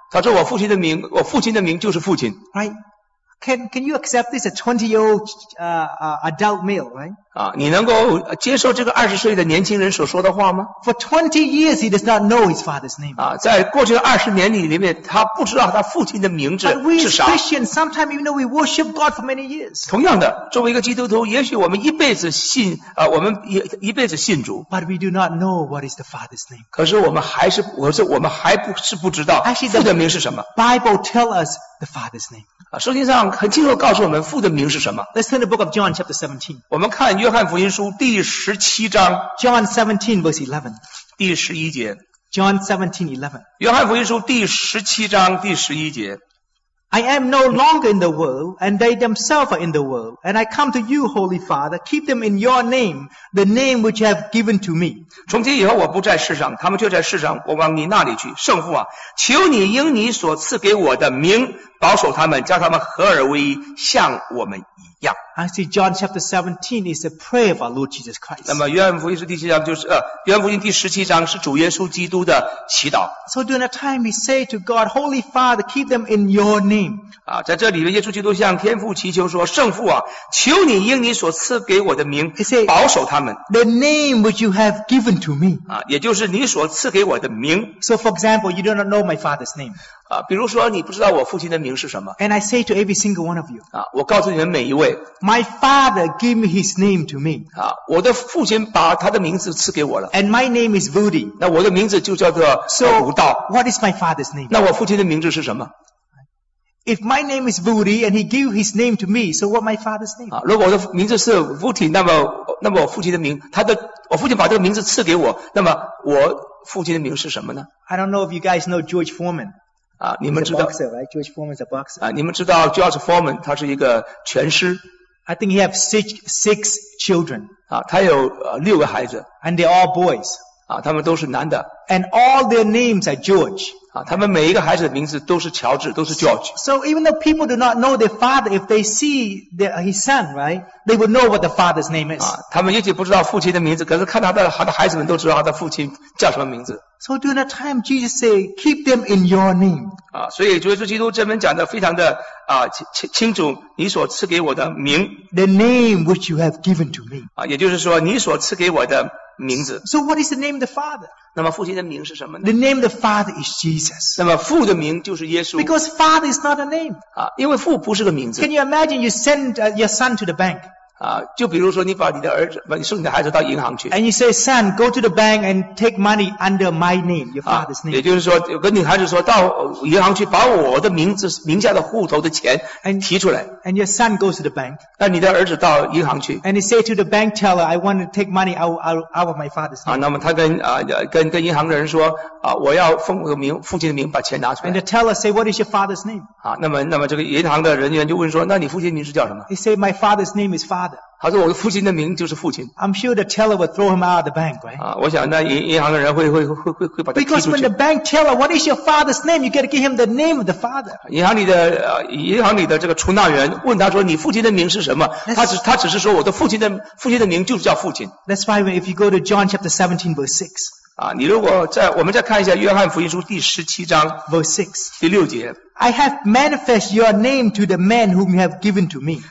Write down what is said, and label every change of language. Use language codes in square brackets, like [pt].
[zh] 他说我父亲的名就是父亲。 [en] Right? Can you accept this a 20-year-old adult male, right? [zh] 你能够接受这个20岁的年轻人所说的话吗？ [en] For 20 years, he does not know his father's name. [zh] 在过去的20年里面，他不知道他父亲的名字是啥。 [en] But we as Christians, sometimes even though we worship God for many years. [zh] 同样的，作为一个基督徒，也许我们一辈子信，我们一辈子信主。 [en] But we do not know what is the father's name. [zh] 可是我们还不是不知道父的名是什么。 [en] Actually, the Bible tells us the father's name. [zh] 圣经上很清楚告诉我们父的名是什么。 [en] Let's turn the book of John chapter 17. [zh] 我们看约翰福音书第十七章。 [en] John 17 verse 11. [zh] 第十一节。 [en] John 17 11. [zh] 约翰福音书第十七章第十一节。 [en] I am no longer in the world, and they themselves are in the world. And I come to you, Holy Father, keep them in your name, the name which you have given to me. [zh] 从今以后我不在世上，他们就在世上，我往你那里去。圣父啊，求你因你所赐给我的名保守他们，叫他们合而为一，像我们一样。 [en] I see John chapter 17 is a prayer of our Lord Jesus Christ. [zh] 那么约翰福音第七章就是约翰福音第十七章是主耶稣基督的祈祷。 [en] So during that time, he say to God, Holy Father, keep them in your name. [zh] 在这里面，耶稣基督向天父祈求说：“圣父啊，求你因你所赐给我的名保守他们。 [en] ”The name which you have given to me. [zh] 也就是你所赐给我的名。 [en] So for example, you do not know my father's name. [zh] 比如说你不知道我父亲的名是什么。 [en] And I say to every single one of you. [zh] 我告诉你们每一位。 [en] My father gave me his name to me. [zh] 我的父亲把他的名字赐给我了。 [en] And my name is Vudi. [zh] 那我的名字就叫做武道。 [en] So, what is my father's name? [zh] 那我父亲的名字是什么？ [en] If my name is Vudi and he gave his name to me, so what my father's name? [zh] 如果我的名字是 Vudi, 那么我父亲的名，我父亲把这个名字赐给我，那么我父亲的名是什么呢？ [en] I don't know if you guys know George Foreman. [zh] 你们知道 [en] boxer, right? George Foreman is a boxer. [zh] 你们知道 George Foreman, 他是一个拳师。 [en] I think he has six children. [zh] 他有六个孩子。 [en] And they're all boys. [zh] 他们都是男的。 [en] And all their names are George. [zh] 他们每一个孩子的名字都是乔治，都是 George. [en] So even though people do not know their father, if they see his son, right, they will know what the father's name is. [zh] 他们也许不知道父亲的名字，可是看他的孩子们都知道他的父亲叫什么名字。 [en] So during that time, Jesus said, keep them in your name. [zh] 所以主耶稣基督这边讲的非常的清楚，你所赐给我的名。 [en] The name which you have given to me. [zh] 也就是说你所赐给我的名字。 [en] So what is the name of the Father? [zh] 那么父亲的名是什么呢？ [en] The name of the Father is Jesus. [zh] 那么父的名就是耶稣。 [en] Because Father is not a name. [zh] 因为父不是个名字。 [en] Can you imagine you send your son to the bank? [zh] 就比如说你把你的儿子，把你送你的孩子到银行去。 [en] And you say, son, go to the bank and take money under my name, your father's name. [zh] 也就是说，跟你孩子说，到银行去把我的名字名下的户头的钱提出来。 [en] And your son goes to the bank. [zh] 那你的儿子到银行去。 [en] And he say to the bank teller, I want to take money out of my father's name. [zh] 那么他跟银行的人说，我要奉我的名，父亲的名把钱拿出来。 [en] And the teller say, what is your father's name? [zh] 那么这个银行的人员就问说，那你父亲名字叫什么？ [en] He say, my father's name is father. [zh] 他说我的父亲的名就是父亲。 [en] I'm sure the teller would throw him out of the bank, right? [zh] 啊，我想那银行的人会把他踢出去。 [en] Because when the bank teller, what is your father's name? You got to give him the name of the father. [zh] 银行里的这个出纳员问他说你父亲的名是什么？他只是说我的父亲的名就是叫父亲。 [en] That's why if you go to John chapter 17 verse 6. [zh] 啊，你如果在我们再看一下约翰福音书第十七章 [en] verse 6. [zh] 第六节。 [en] I have manifest your name to the man whom you have given to me.